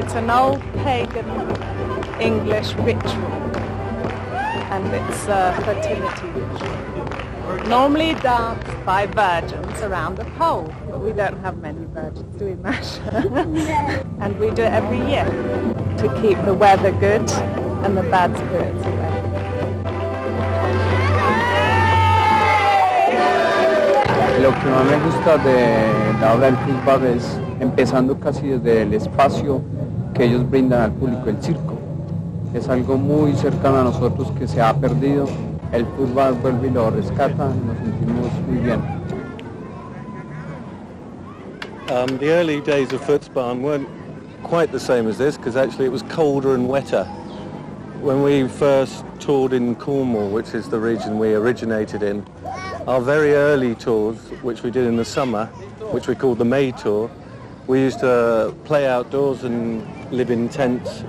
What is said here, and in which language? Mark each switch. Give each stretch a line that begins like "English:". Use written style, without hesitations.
English: It's an old pagan English ritual, and it's a fertility ritual. Normally danced by virgins around the pole, but we don't have many virgins, do we, Masha? And we do it every year to keep the weather good and the bad spirits away.
Spanish: Lo que más me gusta de la obra del Footsbarn es empezando casi desde el espacio que ellos brindan al público, el circo. Es algo muy cercano a nosotros que se ha perdido. El Footsbarn vuelve y lo rescata, nos sentimos muy bien.
English: The early days of Footsbarn weren't quite the same as this, because actually it was colder and wetter. When we first toured in Cornwall, which is the region we originated in, our very early tours, which we did in the summer, which we called the May Tour, we used to play outdoors and live in tents.